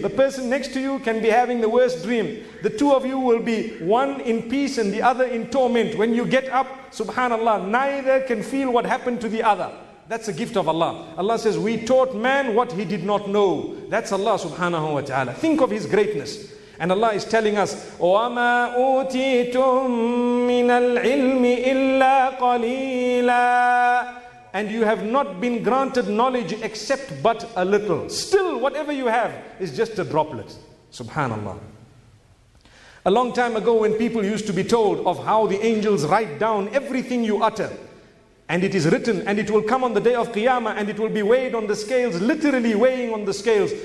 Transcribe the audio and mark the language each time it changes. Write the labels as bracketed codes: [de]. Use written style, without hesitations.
[en] The person next to you can be having the worst dream. The two of you will be one in peace and the other in torment. When you get up, subhanallah, neither can feel what happened to the other. That's a gift of Allah. Allah says, we taught man what he did not know. That's Allah subhanahu wa ta'ala. Think of his greatness. And Allah is telling us, [ar] وَمَا أُوتِيتُم مِّنَ الْعِلْمِ إِلَّا قَلِيلًا. [en] And you have not been granted knowledge except but a little. Still, whatever you have is just a droplet. Subhanallah. A long time ago, when people used to be told of how the angels write down everything you utter, and it is written, and it will come on the day of Qiyamah, and it will be weighed on the scales, literally weighing on the scales.